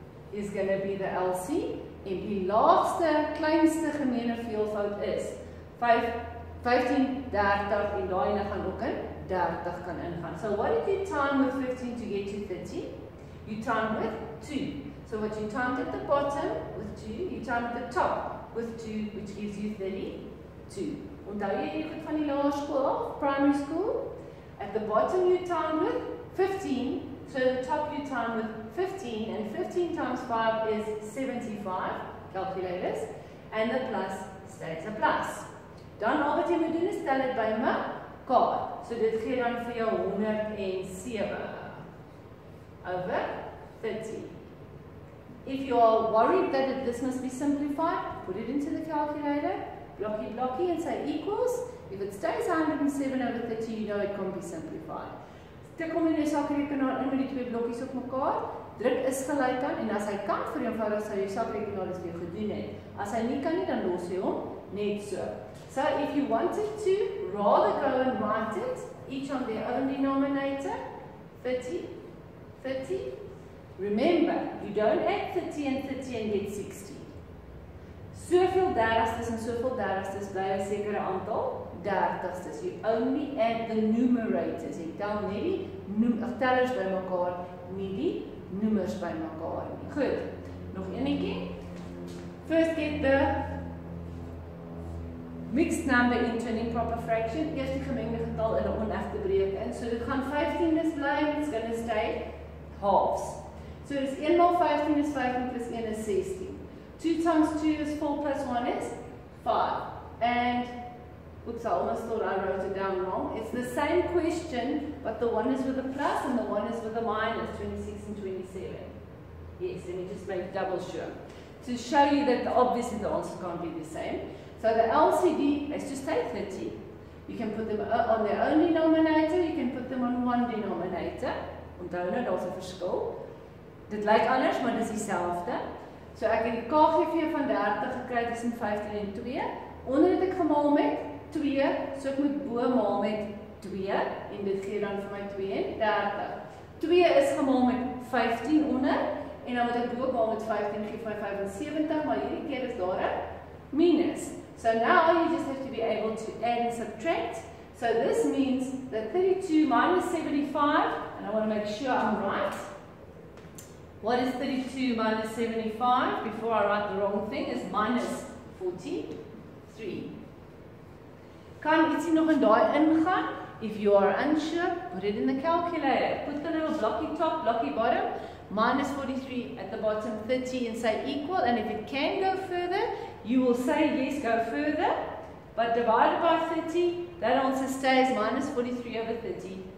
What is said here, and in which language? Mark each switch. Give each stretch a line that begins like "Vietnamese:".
English: Is going to be the LC.
Afrikaans: En die laagste, kleinste gemene veelvoud is 15, 30. En daai ene gaan ook in. 30 kan ingaan.
English: So what did you time with 15 to get to 30? You timed with 2. So what you timed at the bottom with 2, you timed at the top with 2, which gives you 32.
Afrikaans: Onthou jy hierdie goed van die laer skool af,
English: primary school? At the bottom you timed with 15, so at the top you timed with 15, and 15 times 5 is 75, calculators, and the plus stays a plus.
Afrikaans: Dan al wat jy moet doen is tel dit by my kaart. So dit gee dan vir jou 107 over 30.
English: If you are worried that this must be simplified, put it into the calculator, blocky blocky, and say equals. If it stays 107 over 30, you know it can't be simplified.
Afrikaans: Tik hom in jou sakrekenaar in met die twee blokkies op mekaar, druk is gelyk aan, en as hy kan vereenvoudig, sal jou sakrekenaar dit weer gedoen het. As hy nie kan nie, dan los jy hom net so.
English: So if you wanted to, rather go and write it, each on their own denominator, 30, 30. Remember, you don't add 30 and 30 and get 60.
Afrikaans: Soveel derdestes en soveel derdestes bly 'n sekere aantal derdestes.
English: You only add the numerators.
Afrikaans: Jy tel net die tellers by mekaar, nie die nommers by mekaar nie. Goed, nog eenetjie.
English: First get the mixed number into an improper fraction.
Afrikaans: Eerst die gemengde getal in 'n onegte breuk in. So dit gaan 15 bly,
English: it's going to stay halves.
Afrikaans: So dis 1 maal 15 is 15 plus 1 is 16.
English: 2 times 2 is 4 plus 1 is 5. And, oops, I almost thought I wrote it down wrong. It's the same question, but the one is with a plus and the one is with a minus, 26 and 27. Yes, let me just make double sure. To show you that obviously the answer can't be the same. So the LCD, let's just say 30. You can put them on their own denominator, you can put them on one denominator.
Afrikaans: Want daar is 'n groot verskil. Dit lyk anders, maar dis dieselfde. So ek het die KGV van 30 gekry tussen 15 en 2. Onder het ek gemaal met 2, so ek moet bo maal met 2 en dit gee dan vir my 32. 2 is gemaal met 15 onder en dan moet ek bo maal met 15 gee vir 75, maar hierdie keer is daar 'n minus.
English: So now you just have to be able to add and subtract. So this means that 32 minus 75, and I want to make sure I'm right. What is 32 minus 75? Before I write the wrong thing, is minus 43.
Afrikaans: Kan ietsie nog in daai ingaan?
English: If you are unsure, put it in the calculator. Put the little blocky top, blocky bottom. Minus 43 at the bottom, 30 and say equal. And if it can go further, you will say yes, go further. But divided by 30, that answer stays minus 43 over 30.